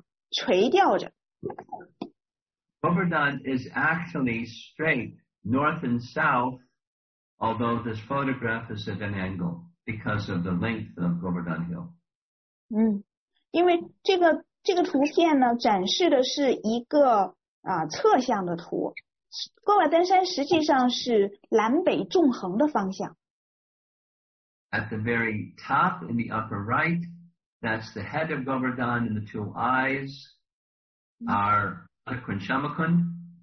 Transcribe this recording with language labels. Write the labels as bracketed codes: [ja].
[zh] 我们可以看到这个Govardhan山的样子似乎就像是一只孔雀，它在树枝上休息，将它将它的头插进了它的脖子里，然后尾巴从树上就这样挂下来，垂吊着。 [en] Govardhan is actually straight north and south, although this photograph is at an angle because of the length of Govardhan Hill. [zh] 因为这个图片呢，展示的是一个侧向的图，Govardhan山实际上是南北纵横的方向。 [en] At the very top in the upper right, that's the head of Govardhan and the two eyes are Kunshamakun.